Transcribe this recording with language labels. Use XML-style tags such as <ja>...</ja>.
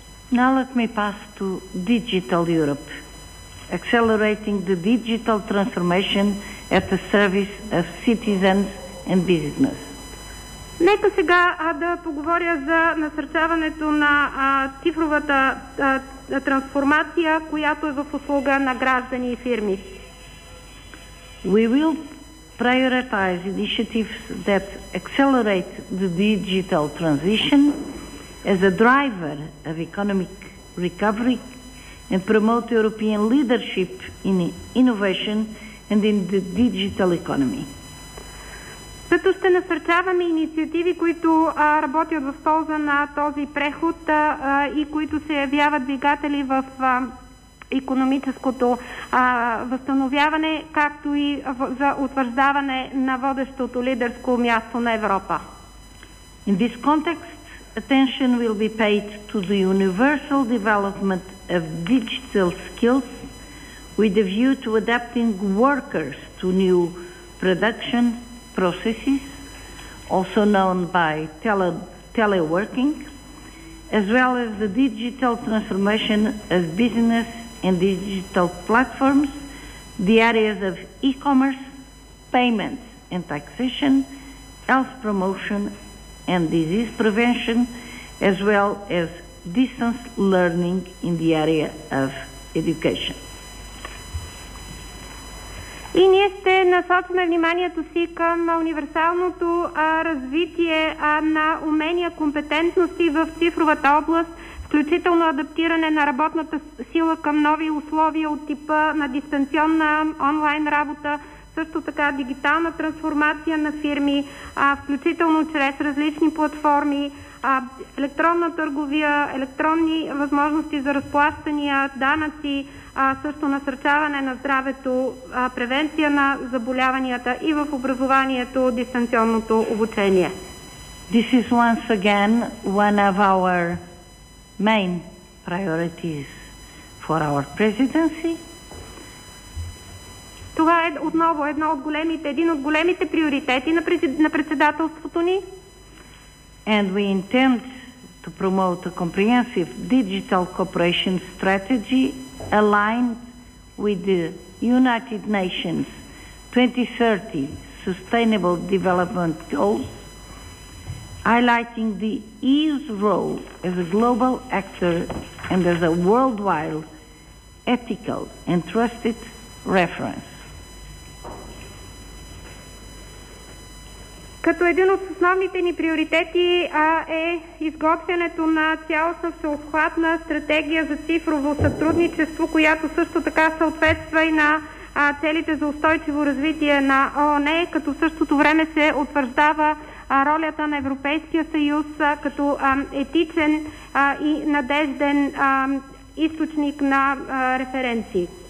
<en>Now let me pass to Digital Europe, accelerating the digital transformation at the service of citizens and business.</en> <bg>Нека сега да поговоря за насърчаването на цифровата трансформация, която е в услуга на граждани и фирми.</bg> <en>We will prioritize initiatives that accelerate the digital transition as a driver of economic recovery and promote European leadership in innovation and in the digital economy.</en> <bg>Като ще насърчаваме инициативи, които работят в полза на този преход и които се явяват двигатели в икономическото възстановяване, както и за утвърждаване на водещото лидерско място на Европа.</bg> <en>In this context, attention will be paid to the universal development of digital skills with a view to adapting workers to new production processes, also known by teleworking, as well as the digital transformation of business and digital platforms, the areas of e-commerce, payments and taxation, health promotion and disease prevention, as well as distance learning in the area of education.</en> <bg>И ние ще насочваме вниманието си към универсалното развитие на умения, компетентности в цифровата област, включително адаптиране на работната сила към нови условия от типа на дистанционна онлайн работа, също така дигитална трансформация на фирми, включително чрез различни платформи, електронна търговия, електронни възможности за разплащания, данъци, също насърчаване на здравето, превенция на заболяванията и в образованието, дистанционното обучение.</bg> <en>This is once again one of our main priorities for our presidency.</en> <bg>Това е отново един от големите приоритети на председателството ни.</bg> <en>And we intend to promote a comprehensive digital cooperation strategy aligned with the United Nations 2030 Sustainable Development Goals, highlighting the EU's role as a global actor and as a worldwide ethical and trusted reference.</en> <bg>Като един от основните ни приоритети е изготвянето на цялостна всеобхватна стратегия за цифрово сътрудничество, която също така съответства и на целите за устойчиво развитие на ООН, като в същото време се утвърждава ролята на Европейския съюз като етичен и надежден източник на референции.</bg>